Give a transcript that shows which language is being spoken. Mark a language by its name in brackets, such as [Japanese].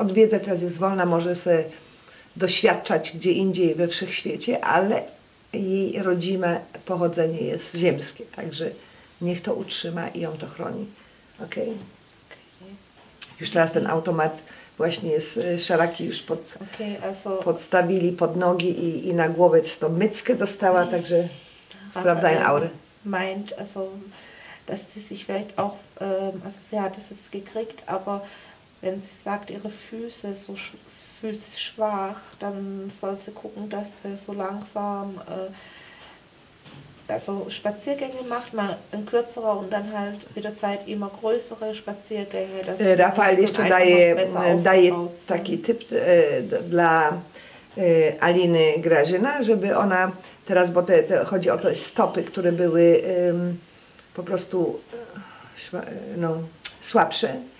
[Polish] Odwiedza, teraz jest wolna, może sobie doświadczać gdzie indziej we wszechświecie, ale jej rodzime pochodzenie jest ziemskie, także niech to utrzyma i ją to chroni. Okej? Okay? Już teraz ten automat właśnie jest szaraki, już podstawili pod nogi i na głowę tą myckę dostała, także sprawdzają aurę. [German] Meint, also, dass sie sich vielleicht auch, also sie hat es jetzt gekriegt, aber wenn sie sagt, ihre Füße so fühlt sich schwach, dann soll sie gucken, dass sie so langsam also Spaziergänge macht, mal ein kürzerer und dann halt mit der Zeit immer größere Spaziergänge. [Polish] Rafael jeszcze daje taki tip dla Aliny Grażyna, żeby ona teraz, bo te chodzi o te stopy, które były po prostu no, słabsze,